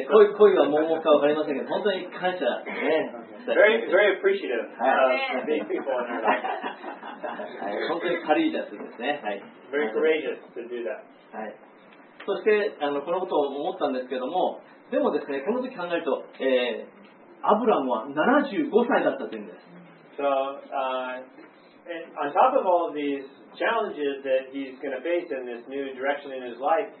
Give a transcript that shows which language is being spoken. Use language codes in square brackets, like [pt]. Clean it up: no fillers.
[ja] ね、恋は盲目か分かりませんけど、本当に感謝、ね。 [en] Very, very appreciative of being people in our life. [ja] 本当にカリージャスですね。 [en] Very courageous to do that. [ja] そして、このことを思ったんですけども、でもですね、この時考えると、アブラムは75歳だったというんです。 [en] So, on top of all of these challenges that he's going to face in this new direction in his life.